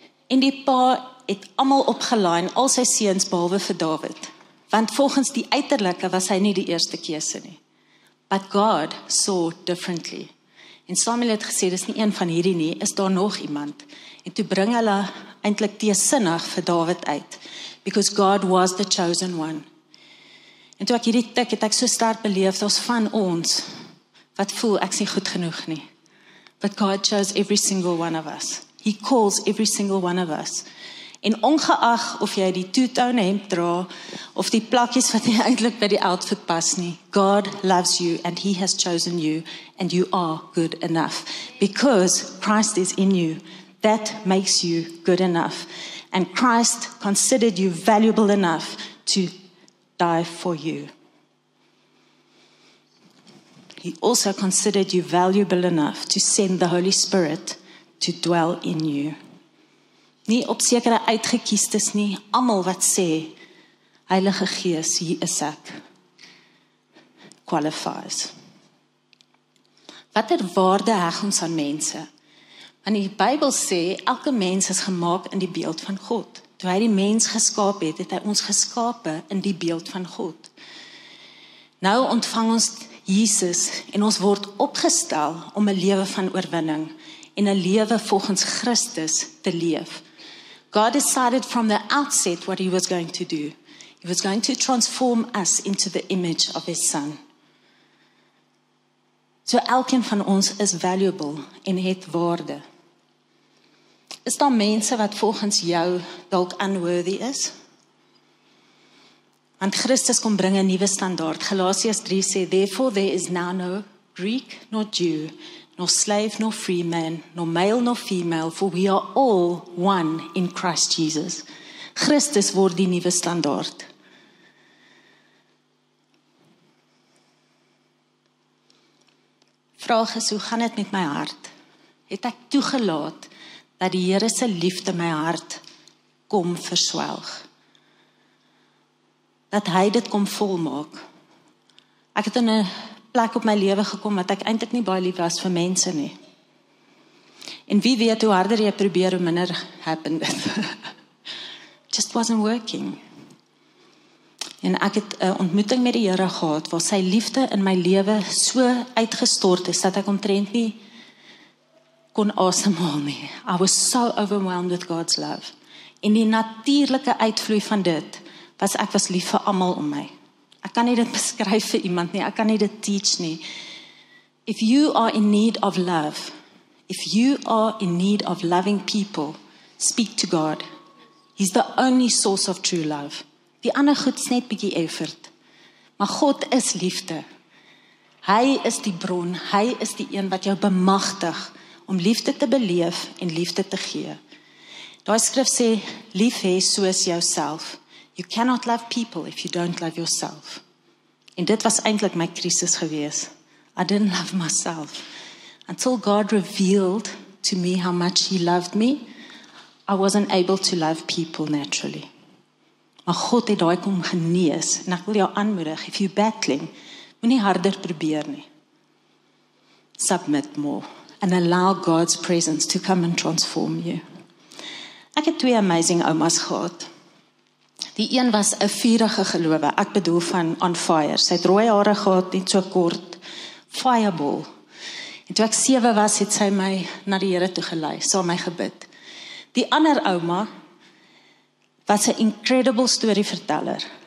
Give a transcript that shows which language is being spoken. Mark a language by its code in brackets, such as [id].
[af] En die pa het almal opgelaai, al sy seuns behalwe vir David. Want volgens die uiterlike was hy nie die eerste keuse nie. [en] But God saw differently. [af] En Samuel het gesê, dis nie een van hierdie nie, is daar nog iemand? En toe bring hulle eintlik teesinnig vir David uit. [en] Because God was the chosen one. [af] En toe ek hierdie tik, het ek so sterk beleef, dat ons van ons, wat voel, ek is nie goed genoeg nie. [en] But God chose every single one of us. He calls every single one of us. [af] En ongeag of jy die two-tone hemd dra, of die plakjes wat jy eintlik by die outfit pas nie, [en] God loves you and he has chosen you and you are good enough. Because Christ is in you, that makes you good enough. And Christ considered you valuable enough to die for you. He also considered you valuable enough to send the Holy Spirit to dwell in you. [af] Nie op sekere uitgekiestes nie, almal wat sê, Heilige Gees, hier is ek, qualifies. Watter waarde heg ons aan mense? Want die Bybel sê, elke mens is gemaak in die beeld van God. Toe hy die mens geskaap het, het hy ons geskape in die beeld van God. Nou ontvang ons Jesus en ons word opgestel om 'n lewe van oorwinning en 'n lewe volgens Christus te leef. [en] God decided from the outset what he was going to do. He was going to transform us into the image of his son. [af] So elkeen van ons is valuable en het waarde. Is daar mense wat volgens jou dalk unworthy is? Want Christus kom bring 'n nuwe standaard. Galasiërs 3 sê, [en] therefore there is now no Greek nor Jew, nor slave, nor free man, nor male, nor female, for we are all one in Christ Jesus. [af] Christus word die nuwe standaard. Vraag is, hoe gaan dit met my hart? Het ek toegelaat dat die Here se liefde my hart kom verswelg? Dat hy dit kom volmaak? Ek het in 'n plek op my lewe gekom wat ek eintlik nie baie lief was vir mense nie. En wie weet, hoe harder jy probeer, hoe minder happen dit. [en] Just wasn't working. [af] En ek het 'n ontmoeting met die Here gehad, waar sy liefde in my lewe so uitgestort is, dat ek omtrent nie kon asemhaal nie. [en] I was so overwhelmed with God's love. [af] En die natuurlike uitvloei van dit, was ek was lief vir almal om my. Ek kan nie dit beskryf vir iemand nie. Ek kan nie dit teach nie. [en] If you are in need of love, if you are in need of loving people, speak to God. He's the only source of true love. [af] Die ander goed's net bietjie effort. Maar God is liefde. Hy is die bron. Hy is die een wat jou bemagtig om liefde te beleef en liefde te gee. Daai skrif sê, lief hê soos jouself. [en] You cannot love people if you don't love yourself. [af] En dit was eintlik my krisis gewees. [en] I didn't love myself. Until God revealed to me how much he loved me, I wasn't able to love people naturally. [af] Maar God het daai kom genees. En ek wil jou aanmoedig, [en] if you're battling, [af] moenie harder probeer nie. [en] Submit more. And allow God's presence to come and transform you. [af] Ek het twee amazing oma's gehad. Die een was 'n vurige gelowe. Ek bedoel van on fire. Sy het rooi hare gehad, net so kort. Fireball. En toe ek 7 was, het sy my na die Here toe gelei, saam my gebid. Die ander ouma was 'n incredible story verteller.